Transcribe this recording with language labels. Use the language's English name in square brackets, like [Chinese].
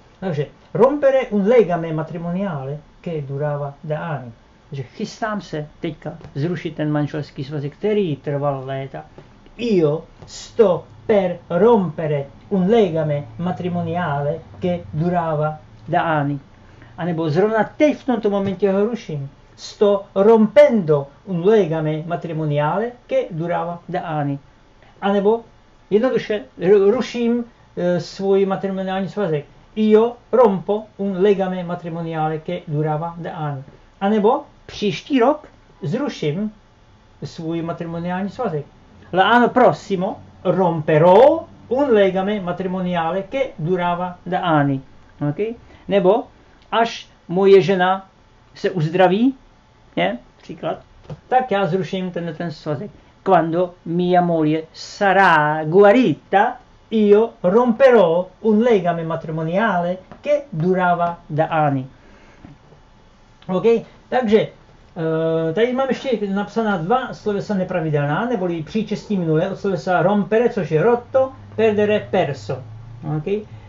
[Czech] Takže [Italian] rompere un legame matrimoniale che durava da anni. [Czech] Takže chystám se teďka zrušit ten manželský svazek, který trval léta. [Italian] Io sto per rompere un legame matrimoniale che durava da anni. [Czech] A nebo zrovna teď v tomto momentě ho ruším. [Italian] sto rompendo un legame matrimoniale che durava da anni. [Czech] Anebo, jednoduše, ruším svoj matrimoniálny svazek. [Italian] Io rompo un legame matrimoniale che durava da anni. [Czech] Anebo, příští rok zruším svoj matrimoniálny svazek. [Italian] L'anno prossimo romperò un legame matrimoniale che durava da anni. Ok? [Czech] Nebo, až moje žena se uzdraví, je, příklad, tak já zruším tenhle ten svazek. [Italian] Quando mia moglie sarà guarita, io romperò un legame matrimoniale che durava da anni. Ok? [Czech] Takže, tady mám ještě napsaná dva slovesa nepravidelná, neboli příčestí minulé, od slovesa rompere, což je rotto, perdere, perso. Okay?